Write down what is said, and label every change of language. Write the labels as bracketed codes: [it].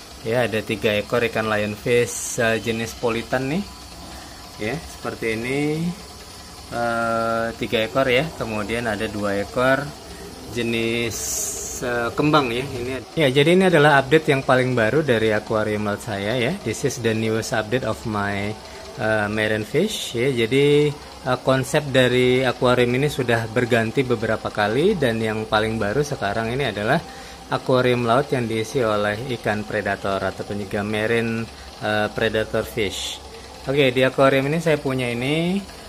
[id] Ya, ada 3 ekor ikan lionfish jenis politan nih. Ya, seperti ini. 3 ekor ya, kemudian ada 2 ekor jenis kembang ya. Ini ya, jadi ini adalah update yang paling baru dari akuarium laut saya ya. [en] This is the newest update of my marine fish ya. [id] Jadi konsep dari akuarium ini sudah berganti beberapa kali, dan yang paling baru sekarang ini adalah akuarium laut yang diisi oleh ikan predator ataupun juga [en] marine predator fish. [id] Oke, di akuarium ini saya punya ini.